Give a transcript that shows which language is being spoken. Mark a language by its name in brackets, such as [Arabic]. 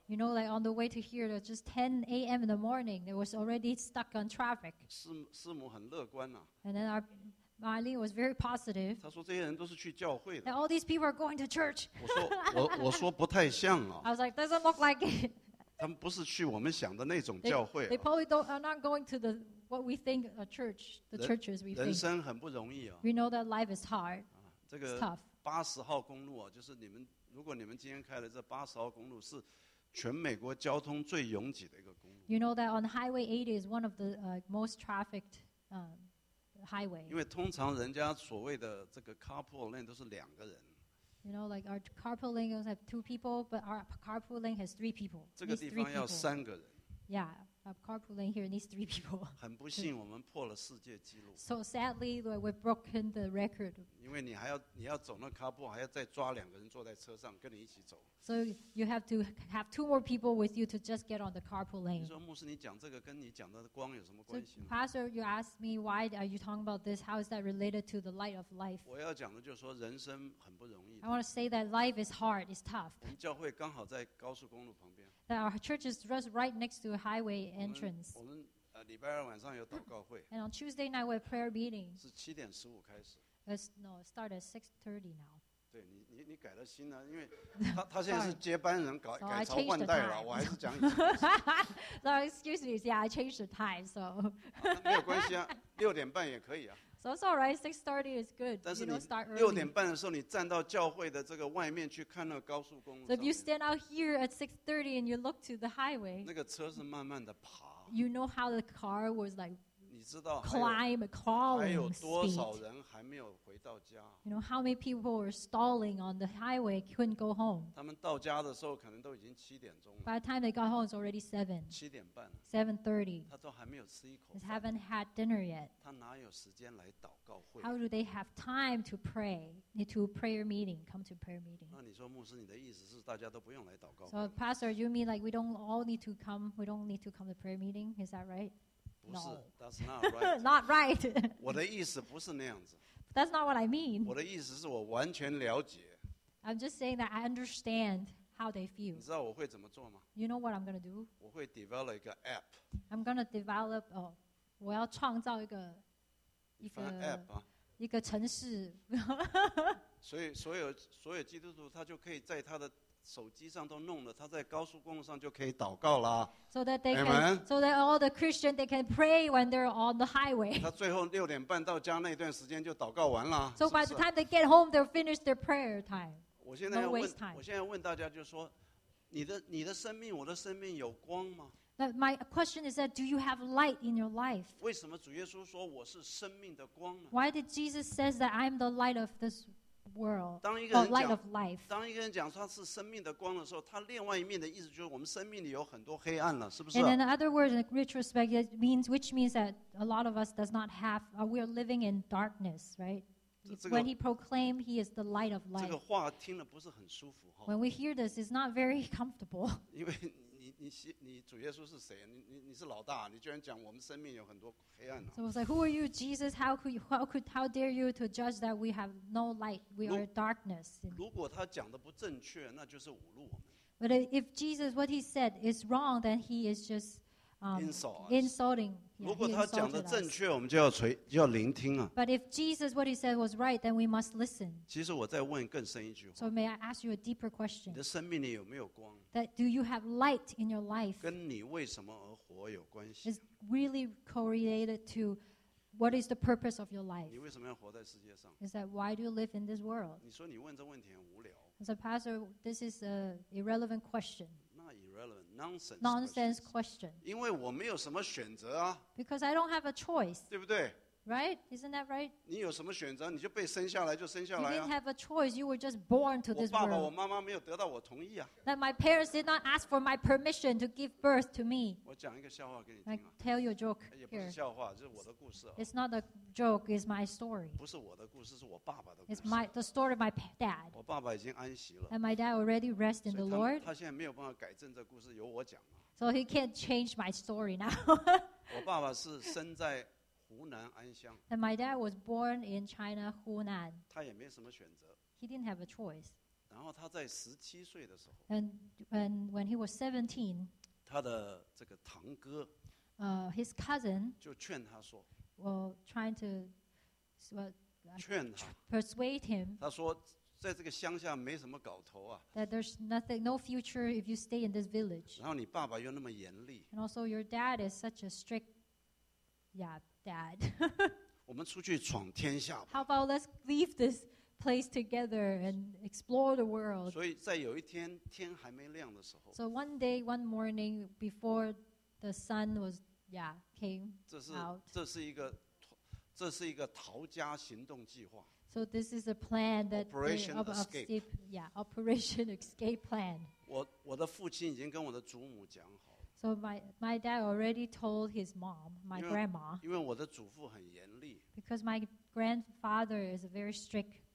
[English] You know, like on the way to here, it was just 10 a.m. in the morning. It was already stuck on traffic. [Chinese] 师母很乐观啊。 [English] And then Marlene was very positive. [Chinese] 他说这些人都是去教会的。 [English] And all these people are going to church. [Chinese] 我说不太像啊。 [English] I was like, doesn't look like it. [Chinese] 他们不是去我们想的那种教会啊。 [English] They probably don't are not going to the what we think a church, the churches we think. [Chinese] 人生很不容易啊。 [English] We know that life is hard. [Chinese] 这个八十号公路啊，就是你们如果你们今天开的这八十号公路是全美国交通最拥挤的一个公路。 [English] You know that on Highway 80 is one of the most trafficked. Highway. [Chinese] 因为通常人家所谓的这个 carpool lane 都是两个人。 [English] You know, like our carpool lane has two people, but our carpool lane has three people. [Chinese] 这个地方要三个人。 [English] Yeah, our carpool lane here needs three people. [Chinese] 很不幸，我们破了世界纪录。 [English] So sadly, we've broken the record. [Chinese] 因为你要走那 carpool， 还要再抓两个人坐在车上跟你一起走。 [English] So you have to have two more people with you to just get on the carpool lane. [Chinese] 你说牧师，你讲这个跟你讲的光有什么关系呢 [English] ？So pastor, you asked me why are you talking about this? How is that related to the light of life? [Chinese] 我要讲的就是说人生很不容易。 [English] I want to say that life is hard, it's tough. [Chinese] 我们教会刚好在高速公路旁边。 [English] That our church is just right next to a highway entrance. [Chinese] 我们礼拜二晚上有祷告会。 [English] And on Tuesday night we have prayer meeting. [Chinese] 是七点十五开始。 [English] Start at 6:30 now. [Chinese] 对你改了新了，因为他现在是接班人，改 [English] so [Chinese] 改朝换代了，我还是讲以前。 [English] So excuse me, yeah, I changed the time. So [Chinese] 没有关系啊，六点半也可以啊。 [English] So it's all right. 6:30 is good. You don't start early. [Chinese] 六点半的时候，你站到教会的这个外面去看那个高速公路。 [English] So if you stand out here at 6:30 and you look to the highway, [Chinese] 那个车是慢慢的爬。 [English] You know how the car was like. [Chinese] 你知道 [English] climb, crawling speed. [Chinese] 还有多少人还没有回到家 [English] ？You know how many people were stalling on the highway, couldn't go home. [Chinese] 他们到家的时候可能都已经七点钟了。 [English] By the time they got home, it's already seven. [Chinese] 七点半。 [English] 7:30. [Chinese] 他都还没有吃一口饭。 [English] They haven't had dinner yet. [Chinese] 他哪有时间来祷告会 [English] ？How do they have time to pray? Need to prayer meeting. Come to prayer meeting. [Chinese] 那你说牧师，你的意思是大家都不用来祷告 [English] ？So pastor, you mean like we don't all need to come? We don't need to come to prayer meeting? Is that right? [Chinese] 不是 [English] ，That's not right. not right. [Chinese] 我的意思不是那样子。 [English] That's not what I mean. [Chinese] 我的意思是我完全了解。 [English] I'm just saying that I understand how they feel. [Chinese] 你知道我会怎么做吗 [English] ？You know what I'm gonna do? [Chinese] 我会 develop 一个 app. [English] I'm gonna develop. [Chinese] 我要创造一个 app 啊，一个程式。所以所有基督徒他就可以在他的手机上都弄了，他在高速公路上就可以祷告了。 [English] So that they can, so that all the Christians they can pray when they're on the highway. [Chinese] 他最后六点半到家那段时间就祷告完了。 [English] So by the time they get home, they'll finish their prayer time. No waste time. [Chinese] 我现在问大家，就是说，你的生命，我的生命有光吗？ [English] But my question is that do you have light in your life? [Chinese] 为什么主耶稣说我是生命的光呢 [English] ？Why did Jesus says that I'm the light of this world? World, [Chinese] 当一个人讲 [English] light of life. [Chinese] 当一个人讲他是生命的光的时候，他另外一面的意思就是我们生命里有很多黑暗了，是不是 [English] ？And in other words, in retrospect, it means which means that a lot of us does not have, we are living in darkness, right? When he proclaimed he is the light of life. [Chinese] 这个话听了不是很舒服哈。 [English] When we hear this, it's not very comfortable. [Chinese] 因为你主耶稣是谁？你是老大，你居然讲我们生命有很多黑暗 [English] 呢？So I was like, who are you, Jesus? How dare you to judge that we have no light, we are darkness? [Chinese] 如果他讲的不正确，那就是侮辱我们。 [English] But if Jesus, what he said is wrong, then he is just insulting. Yeah, [Chinese] 如果他讲的正确，我们就要聆听啊。 [English] But if Jesus, what he said was right, then we must listen. [Chinese] 其实我再问更深一句话。 [English] So may I ask you a deeper question? [Chinese] 你的生命里有没有光？ [English] That do you have light in your life? [Chinese] 跟你为什么而活有关系。 [English] Is really correlated to what is the purpose of your life? [Chinese] 你为什么要活在世界上？ [English] Is that why do you live in this world? [Chinese] 你说你问这问题很无聊。 [English] As a pastor, this is an irrelevant question. Irrelevant nonsense question. [Chinese] 因为我没有什么选择啊。 [English] Because I don't have a choice. [Chinese] 对不对？ [English] Right? Isn't that right? [Chinese] 你有什么选择？你就被生下来，就生下来啊。 [English] You didn't have a choice. You were just born to this world. [Chinese] 我爸爸、我妈妈没有得到我同意啊。 [English] That my parents did not ask for my permission to give birth to me. [Chinese] 我讲一个笑话给你听啊。 [English] I tell you a joke here. [Chinese] 也不是笑话，这是我的故事啊。 [English] It's not a joke. It's my story. [Chinese] 不是我的故事，是我爸爸的故事。 [English] It's my the story of my dad. [Chinese] 我爸爸已经安息了。 [English] And my dad already rest in the Lord. [Chinese] 他现在没有办法改正这故事，由我讲嘛。 [English] So he can't change my story now. [Chinese] 我爸爸是生在。 [English] And my dad was born in China, Hunan. [Chinese] 他也没什么选择。 [English] He didn't have a choice. [Chinese] 然后他在十七岁的时候。 [English] And when he was 17, [Chinese] 他的这个堂哥。 [English] His cousin. [Chinese] 就劝他说。 [English] Well, trying to, [Chinese] 劝他。 [English] Persuade him. [Chinese] 他说，在这个乡下没什么搞头啊。 [English] That there's nothing, no future if you stay in this village. [Chinese] 然后你爸爸又那么严厉。 [English] And also your dad is such a strict, yeah. Dad, [Chinese] 我们出去闯天下吧。 [English] How about let's leave this place together and explore the world? [Chinese] 所以在有一天天还没亮的时候。 [English] So one day, one morning before the sun was, yeah, came out. [Chinese] 这是一个逃家行动计划。 [English] So this is a plan that Operation Escape. Yeah, Operation Escape plan. [Chinese] 我的父亲已经跟我的祖母讲好。 [English] So my dad already told his mom, my grandma. [Chinese] 因为我的祖父很严厉。 [English] Because my grandfather is a very strict dad.